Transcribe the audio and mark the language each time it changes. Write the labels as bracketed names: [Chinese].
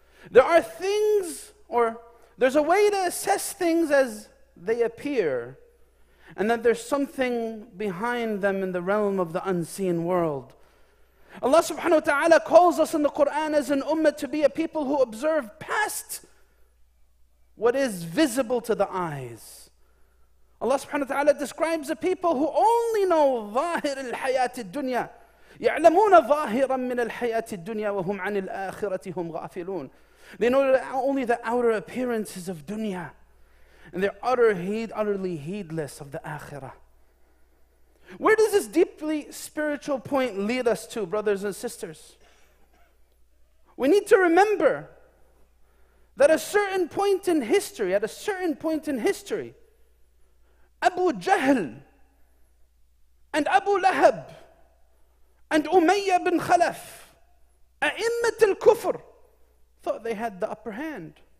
[English] There are things, or there's a way to assess things as they appear, and that there's something behind them in the realm of the unseen world. Allah subhanahu wa ta'ala calls us in the Quran as an ummah to be a people who observe past what is visible to the eyes. Allah subhanahu wa ta'ala describes a people who only know [Arabic] ظاهر الحياة الدنيا. يعلمون ظاهرا من الحياة الدنيا وهم عن الآخرة هم غافلون. [English] They know only the outer appearances of dunya, and they're utterly heedless of the akhirah. Where does this deeply spiritual point lead us to, brothers and sisters? We need to remember that at a certain point in history, Abu Jahl and Abu Lahab and Umayyah bin Khalaf, A'immat al-Kufr, thought they had the upper hand.